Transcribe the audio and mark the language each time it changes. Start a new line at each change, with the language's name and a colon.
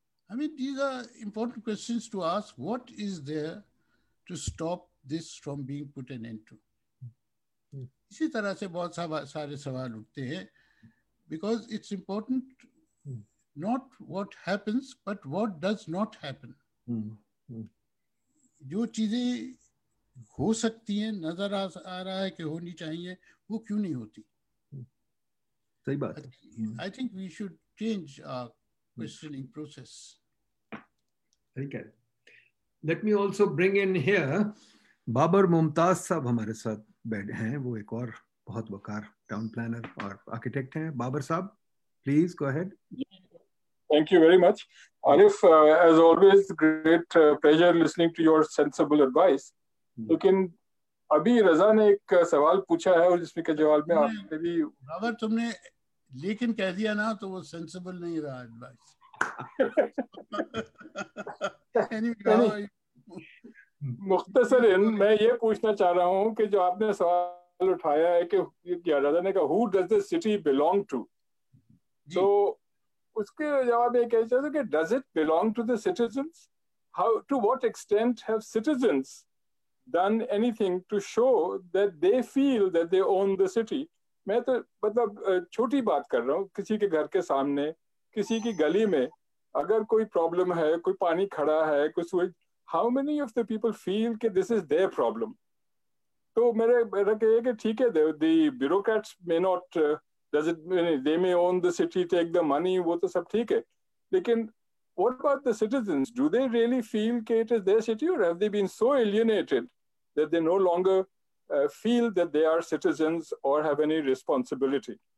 English: I mean, these are important questions to ask. What is there to stop this from being put an end to?
Hindi: Isi tarah se bahut sare sawal uthte hain
English: because it's important. Not what happens, but what does not happen.
Hindi: जो चीजें हो सकती हैं, नजर आ रहा है कि होनी चाहिए, वो क्यों नहीं होती? सही बात.
English: I think we should change our questioning process.
Hindi: ठीक है.
English: Let me also bring in here Babar Mumtaz साहब
Hindi: हमारे साथ बैठे हैं. वो एक और बहुत वकार टाउन प्लानर और आर्किटेक्ट हैं. बाबर साहब,
English: Please go ahead. Thank you very much, Anif. As always, great pleasure listening to your sensible advice.
Hindi: लेकिन अभी रजा ने एक सवाल पूछा है और जिसमें के जवाब में आपने भी बाबर तुमने लेकिन कह दिया ना तो वो सेंसिबल नहीं रहा एडवाइस. मुख्तसर मैं ये पूछना चाह रहा हूँ कि जो आपने सवाल उठाया है कि रजा ने कहा
English: Who does the city belong to? So
Hindi: उसके जवाब में कह सकते कि
English: Does it belong to the citizens, how to what extent have citizens done anything to show that they feel that they own the city.
Hindi: मैं तो मतलब छोटी बात कर रहा हूँ, किसी के घर के सामने, किसी की गली में अगर कोई प्रॉब्लम है, कोई पानी खड़ा है, कुछ हुई,
English: how many of the people feel
Hindi: कि
English: This is their problem.
Hindi: तो मेरा कहे कि ठीक है,
English: the bureaucrats may not Does it mean they may own the city, take the money,
Hindi: wo to sab theek hai.
English: Lekin what about the citizens? Do they really feel ke it is their city or have they been so alienated that they no longer feel that they are citizens or have any responsibility?